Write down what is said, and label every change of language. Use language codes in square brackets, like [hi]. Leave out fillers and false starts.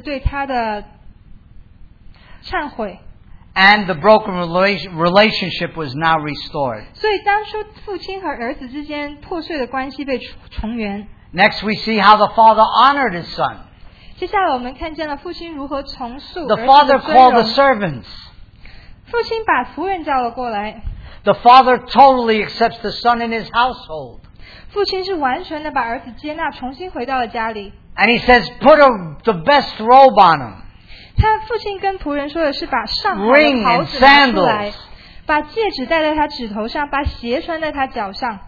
[zh] 同时也是父亲接受了儿子对他的忏悔。 [en] And the broken relationship was now restored. [zh] 所以当初父亲和儿子之间破碎的关系被重圆。 [en] Next we see how the father honored his son. The father called the servants. [zh] 父亲把仆人叫了过来。 [en] The father totally accepts the son in his household. [zh] 父亲是完全地把儿子接纳重新回到了家里。 [en] And he says, put the best robe on him. [zh] 他父亲跟仆人说的是把上好的袍子拿出来, [en] ring and sandals. [zh] 把戒指戴在他指头上, 把鞋穿在他脚上。